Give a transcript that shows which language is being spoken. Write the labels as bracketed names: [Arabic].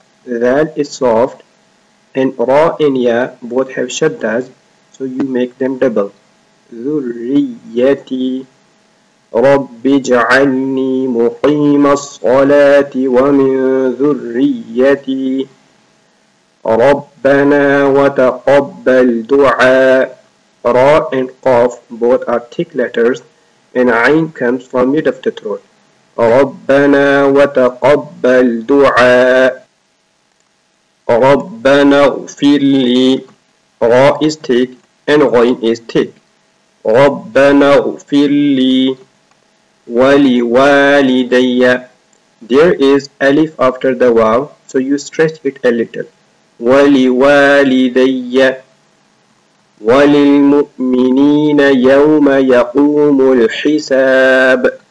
[English] That is soft and را and يا both have شدّاز, so you make them double. [Arabic] ذريتي. رب اجعلني مقيم الصلاة ومن ذريتي. ربنا وتقبل دعاء. [English] را and قاف both are thick letters and عين comes from mid of the throat. [Arabic] ربنا وتقبل دعاء. ربنا اغفر لي. [English] را is thick and غين is thick. [Arabic] ربنا اغفر لي ولوالدي. [English] There is alif after the waw, so you stretch it a little. [Arabic] ولوالدي وللمؤمنين يوم يقوم الحساب.